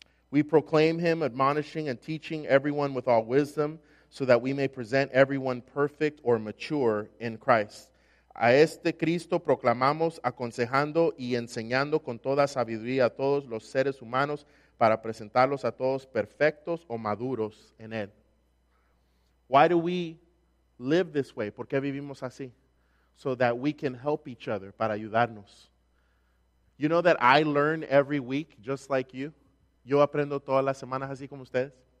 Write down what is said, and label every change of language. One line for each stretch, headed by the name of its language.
English: We We proclaim him, admonishing and teaching everyone with all wisdom, so that we may present everyone perfect or mature in Christ.
Spanish: A este Cristo proclamamos, aconsejando y enseñando con toda sabiduría a todos los seres humanos para presentarlos a todos perfectos o maduros en él.
English: Why do we live this way?
Spanish: ¿Por qué vivimos así?
English: So that we can help each other,
Spanish: para ayudarnos.
English: You know that I learn every week, just like you.
Spanish: Yo aprendo todas las semanas así como ustedes.